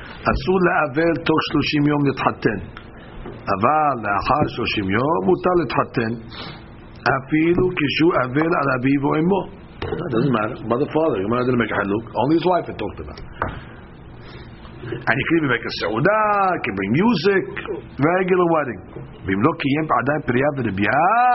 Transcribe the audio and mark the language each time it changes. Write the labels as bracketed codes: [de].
[he] אסור לאבל תוך 30 יום להתחתן אבל לאחר 30 יום מותר להתחתן אפילו כשהוא אבל על אביו או אמו. [en] It doesn't matter. But the father, you might not make a haluk. Only his wife had talked about. And he could make a sauda, can bring music, regular wedding. [he] ואם לא קיים עדיין פריה ורבייה,